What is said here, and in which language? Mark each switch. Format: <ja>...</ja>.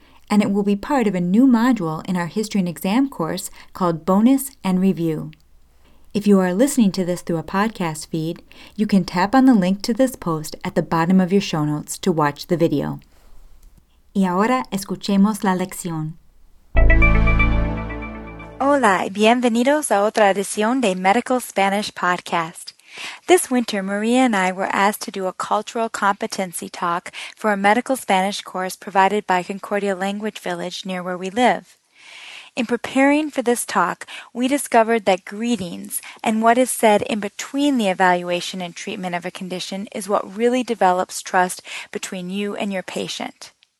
<en>And it will be part of a new module in our History and Exam course called Bonus and Review. If you are listening to this through a podcast feed, you can tap on the link to this post at the bottom of your show notes to watch the video.</en> <es>Y ahora escuchemos la lección. Hola y bienvenidos a otra edición de Medical Spanish Podcast.</es> <en>This winter, Maria and I were asked to do a cultural competency talk for a medical Spanish course provided by Concordia Language Village near where we live. In preparing for this talk, we discovered that greetings and what is said in between the evaluation and treatment of a condition is what really develops trust between you and your patient.</en>